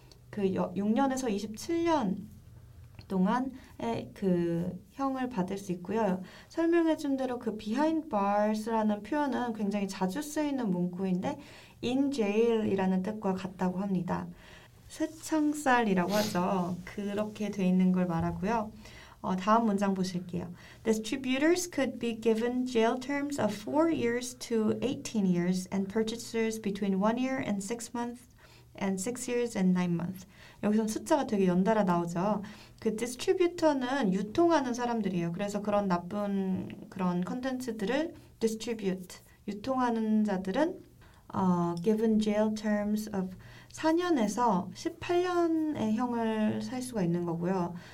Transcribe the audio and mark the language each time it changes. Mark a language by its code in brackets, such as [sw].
[ko] 그 6년에서 27년 동안의 그 형을 받을 수 있고요. 설명해 준 대로 그 behind bars라는 표현은 굉장히 자주 쓰이는 문구인데 in jail이라는 뜻과 같다고 합니다. 쇠창살이라고 하죠. 그렇게 돼 있는 걸 말하고요. 다음 문장 보실게요. [en] Distributors could be given jail terms of 4 years to 18 years and purchasers between 1 year and 6 months and 6 years and 9 months. [ko] 여기서는 숫자가 되게 연달아 나오죠. 그 디스트리뷰터는 유통하는 사람들이에요. 그래서 그런 나쁜 그런 컨텐츠들을 distribute, 유통하는 자들은 [en] given jail terms of [ko] 4년에서 18년의 형을 살 수가 있는 거고요.